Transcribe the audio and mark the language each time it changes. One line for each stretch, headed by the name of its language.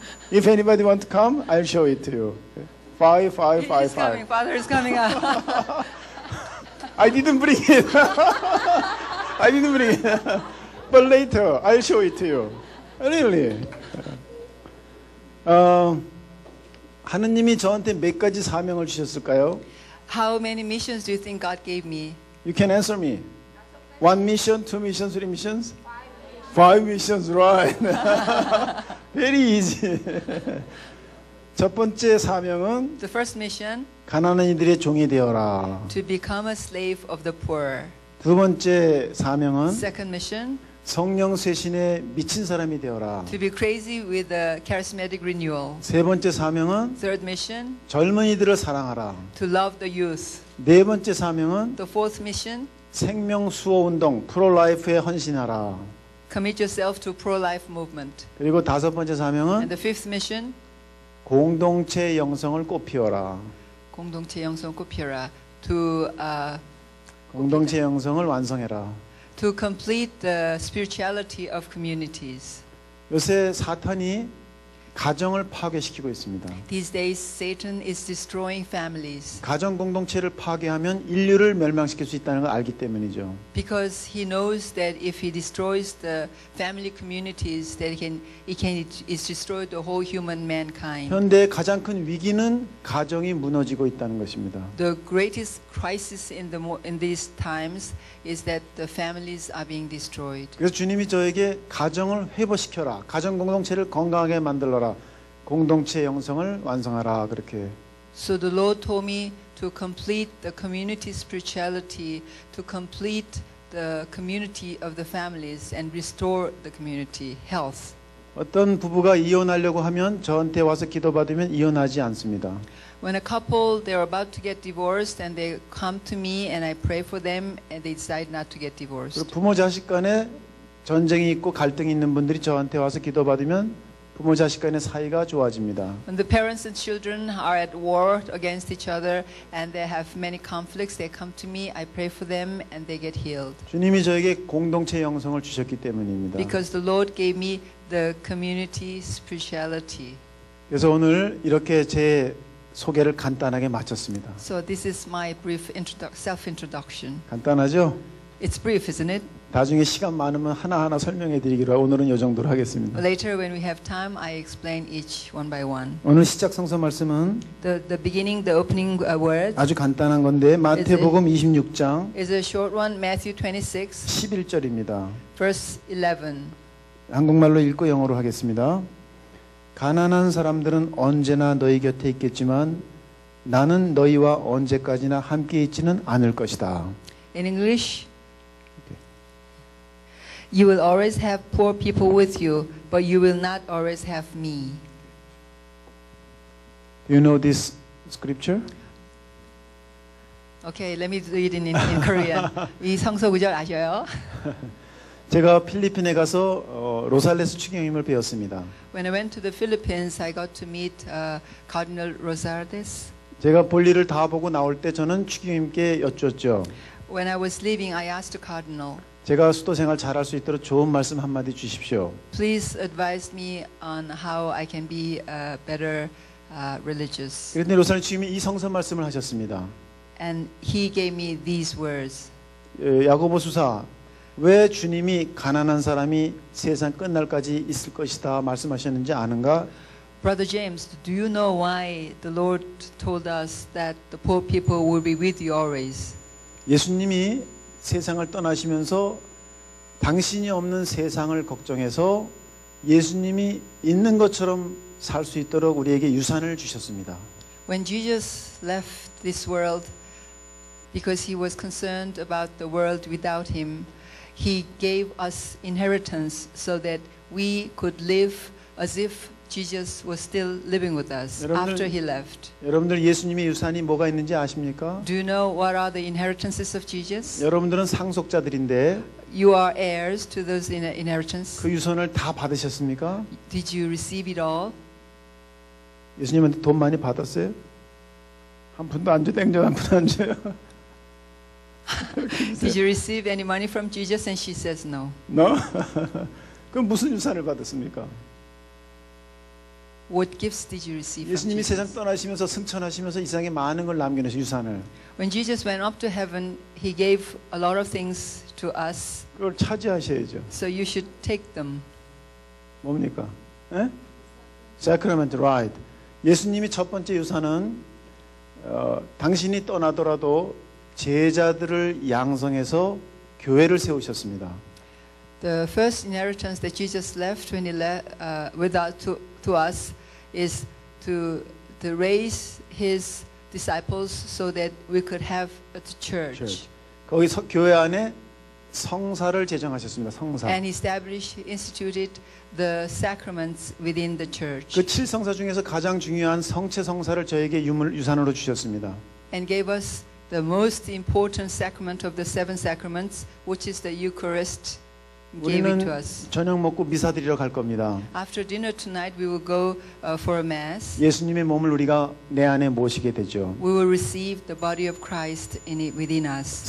English: If anybody wants to come, I'll show it to you. 5555. He's coming. Father is coming. I didn't bring it. I didn't bring it. But later, I'll show it to you. Really?
Korean: 하느님이 저한테 몇 가지 사명을 주셨을까요?
English: How many missions do you think God gave me? You can answer me. One mission, two missions, three missions? Five missions, right. Very easy.
Korean: 첫 번째 사명은
English: The first mission
Korean: 가난한 이들의 종이 되어라.
English: To become a slave of the poor.
Korean: 두 번째 사명은
English: Second mission
Korean: 성령 쇄신에 미친 사람이 되어라.
English: To be crazy with a charismatic renewal.
Korean: 세 번째 사명은
English: Third mission.
Korean: 젊은이들을 사랑하라.
English: To love the youth.
Korean: 네 번째 사명은
English: The fourth mission.
Korean: 생명 수호 운동, pro-life에 헌신하라.
English: Commit yourself to pro-life movement.
Korean: 그리고 다섯 번째 사명은
English: And the fifth mission.
Korean: 공동체 영성을 꽃피워라. 공동체 영성을 꽃피워라.
English: To
Korean: 공동체 영성을 완성해라.
English: To complete the spirituality of communities.
Korean: 요새 사탄이 가정을 파괴시키고 있습니다.
English: These days, Satan is destroying families.
Korean: 가정 공동체를 파괴하면 인류를 멸망시킬 수 있다는 걸 알기 때문이죠.
English: Because he knows that if he destroys the family communities, that he can destroy the whole human mankind.
Korean: 현대 가장 큰 위기는 가정이 무너지고 있다는 것입니다.
English: The greatest crisis in these times is that the families are being destroyed.
Korean: 그래서 주님이 저에게 가정을 회복시켜라, 가정 공동체를 건강하게 만들어라. 공동체 영성을 완성하라 그렇게.
English: So the Lord told me to complete the community spirituality, to complete the community of the families and restore the community health.
Korean: 어떤 부부가 이혼하려고 하면 저한테 와서 기도 받으면 이혼하지 않습니다.
English: When a couple they're about to get divorced and they come to me and I pray for them and they decide not to get divorced.
Korean: 그리고 부모 자식 간에 전쟁이 있고 갈등이 있는 분들이 저한테 와서 기도 받으면 부모 자식 간의 사이가 좋아집니다.
English: When the parents and children are at war against each other and they have many conflicts, they come to me, I pray for them and they get healed.
Korean: 주님이 저에게 공동체 영성을 주셨기 때문입니다.
English: Because the Lord gave me the community spirituality.
Korean: 그래서 오늘 이렇게 제 소개를 간단하게 마쳤습니다.
English: So this is my brief self-introduction.
Korean: 간단하죠?
English: It's brief, isn't it?
Korean: 나중에 시간 많으면 하나하나 설명해 드리기로 오늘은 이 정도로 하겠습니다.
English: Later when we have time, I explain each one by one.
Korean: 오늘 시작 성서 말씀은
English: the beginning, the opening words
Korean: 아주 간단한 건데 마태복음 26장
English: is a short one, Matthew 26
Korean: 11절입니다.
English: Verse 11.
Korean: 한국말로 읽고 영어로 하겠습니다. 가난한 사람들은 언제나 너희 곁에 있겠지만 나는 너희와 언제까지나 함께 있지는 않을 것이다.
English: In English, you will always have poor people with you, but you will not always have me. Do you know this scripture? Okay, let me read it in Korean.
Korean: 이 성서 구절 아셔요? 제가 필리핀에 가서 로살레스 추기경임을 배웠습니다.
English: When I went to the Philippines, I got to meet Cardinal Rosales.
Korean: 제가 볼 일을 다 보고 나올 때 저는 추기경임께 여쭈었죠.
English: When I was leaving, I asked the Cardinal.
Korean: 제가 수도 생활 잘할 수 있도록 좋은 말씀 한 마디 주십시오.
English: Please advise me on how I can be a better religious.
Korean: 그런데 로살레스 추기경임이 이 성서 말씀을 하셨습니다.
English: And he gave me these words.
Korean: 야고보 수사. 왜 주님이 가난한 사람이 세상 끝날까지 있을 것이다 말씀하셨는지 아는가?
English: Brother James, do you know why the Lord told us that the poor people will be with you always?
Korean: 예수님이 세상을 떠나시면서 당신이 없는 세상을 걱정해서 예수님이 있는 것처럼 살 수 있도록 우리에게 유산을 주셨습니다.
English: When Jesus left this world because he was concerned about the world without him, He gave us inheritance so that we could live as if Jesus was still living with us
Korean: 여러분들,
English: after he left.
Korean: 여러분들 예수님의 유산이 뭐가 있는지 아십니까?
English: Do you know what are the inheritances of Jesus?
Korean: 여러분들은 상속자들인데
English: You are heirs to those inheritance.
Korean: 그 유산을 다 받으셨습니까?
English: Did you receive it all?
Korean: 예수님한테 돈 많이 받았어요? 한 푼도 안 줘요. 땡전 한 푼도 안 줘요.
English: Did you receive any money from Jesus? And she says no. No?
Korean: 그럼 무슨 유산을 받았습니까?
English: What gifts did you receive?
Korean: 예수님이 세상 떠나시면서 승천하시면서 이 세상에 많은 걸 남겨놓으신 유산을.
English: When Jesus went up to heaven, he gave a lot of things to us.
Korean: 그걸 차지하셔야죠.
English: So you should take them.
Korean: 뭡니까? 에?
English: Sacrament, right.
Korean: 예수님이 첫 번째 유산은 당신이 떠나더라도 제자들을 양성해서 교회를 세우셨습니다.
English: The first inheritance that Jesus left when he left without to us is to raise his disciples so that we could have a church.
Korean: 거기 교회 안에 성사를 제정하셨습니다. 성사.
English: And established instituted the sacraments within the church.
Korean: 그 칠성사 중에서 가장 중요한 성체 성사를 저에게 유산으로 주셨습니다.
English: And gave us the most important sacrament of the seven sacraments, which is the Eucharist, gave it to us.
Korean: 우리는 저녁 먹고 미사드리러 갈 겁니다.
English: After dinner tonight, we will go for a mass.
Korean: 예수님의 몸을 우리가 내 안에 모시게 되죠.
English: We will receive the body of Christ in it within us.